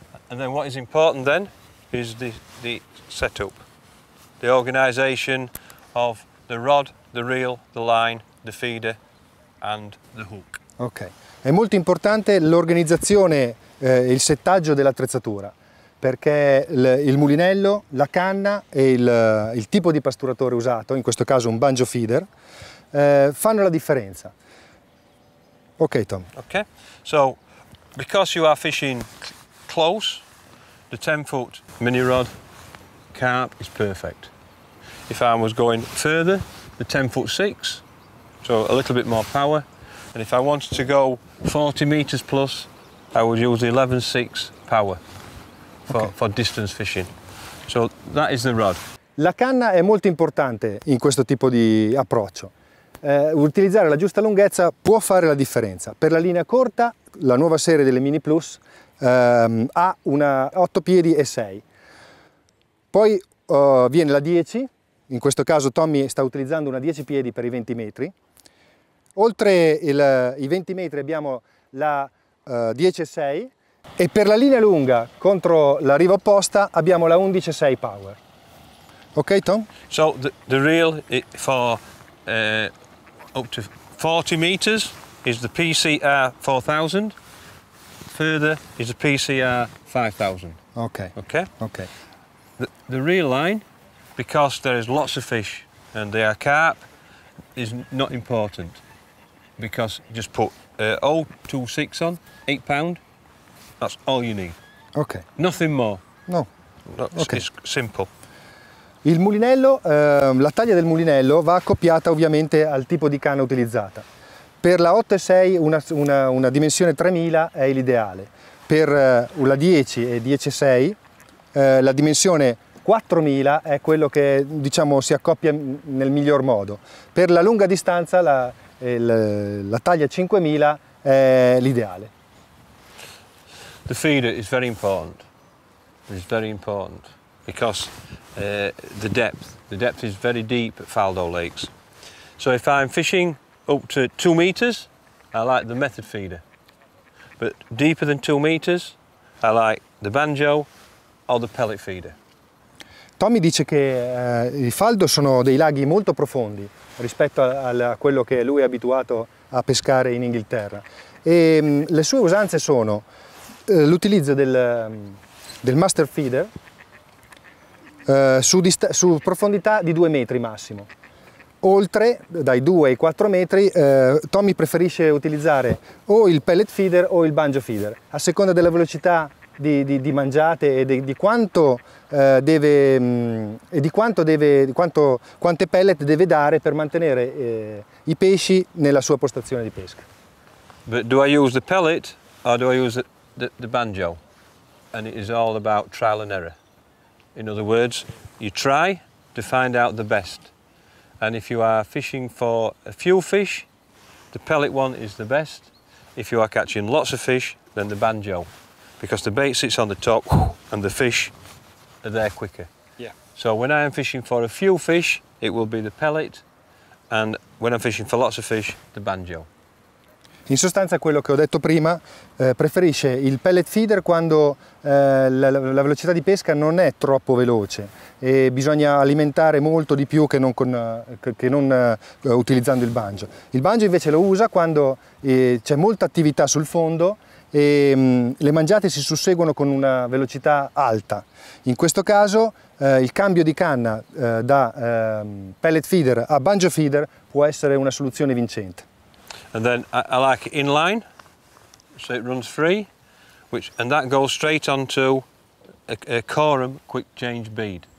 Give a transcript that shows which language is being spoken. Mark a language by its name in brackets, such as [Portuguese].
[English] And then what is important then is the setup, the organization of the rod, the reel, the line, the feeder and the hook. Okay. [Italian] È molto importante l'organizzazione, il settaggio dell'attrezzatura, perché il mulinello, la canna e il tipo di pasturatore usato, in questo caso un banjo feeder, fanno la differenza. [English] Okay, Tom. Okay. So, because you are fishing close, the 10-foot mini rod carp is perfect. If I was going further, the 10-foot 6, so a little bit more power. And if I wanted to go 40 meters plus, I would use the 11-6 power for distance fishing. So that is the rod. [Italian] La canna è molto importante in questo tipo di approccio. utilizzare la giusta lunghezza può fare la differenza. Per la linea corta, la nuova serie delle Mini Plus ha una 8 piedi e 6. Poi viene la 10, in questo caso Tommy sta utilizzando una 10 piedi per i 20 metri. Oltre i 20 metri abbiamo la 10 e 6 e per la linea lunga contro la riva opposta abbiamo la 11 e 6 Power. Ok Tom? [English] So the reel for up to 40 meters is the PCR 4000. Further is the PCR 5000. Okay. Okay. Okay. The reel line, because there is lots of fish and they are carp, is not important, because just put 026 on, 8 pound. That's all you need. Okay. Nothing more. No. Okay. It's simple. [Italian] Il mulinello, la taglia del mulinello va accoppiata ovviamente al tipo di canna utilizzata. Per la 8,6 una dimensione 3000 è l'ideale. Per la 10 e 10,6 la dimensione 4000 è quello che diciamo si accoppia nel miglior modo. Per la lunga distanza la taglia 5000 è l'ideale. [English] The feeder is very important. It's very important. Because the depth is very deep at Faldo Lakes. So if I'm fishing up to 2 meters, I like the method feeder. But deeper than 2 meters, I like the banjo or the pellet feeder. [Italian] Tommy dice che i Faldo sono dei laghi molto profondi rispetto a quello che lui è abituato a pescare in Inghilterra. E le sue usanze sono l'utilizzo del master feeder, su profondità di 2 metri massimo. Oltre dai 2 ai 4 metri Tommy preferisce utilizzare o il pellet feeder o il banjo feeder a seconda della velocità di mangiate e quante pellet deve dare per mantenere i pesci nella sua postazione di pesca. [English] But do I use the pellet or do I use the banjo? And it is all about trial and error. In other words, you try to find out the best. And if you are fishing for a few fish, the pellet one is the best. If you are catching lots of fish, then the banjo. Because the bait sits on the top and the fish are there quicker. Yeah. So when I am fishing for a few fish, it will be the pellet. And when I'm fishing for lots of fish, the banjo. [Italian] In sostanza quello che ho detto prima, preferisce il pellet feeder quando la velocità di pesca non è troppo veloce e bisogna alimentare molto di più che non, utilizzando il banjo. Il banjo invece lo usa quando c'è molta attività sul fondo e le mangiate si susseguono con una velocità alta. In questo caso il cambio di canna da pellet feeder a banjo feeder può essere una soluzione vincente. [English] And then I like it in line, so it runs free, and that goes straight onto a Corum quick change bead.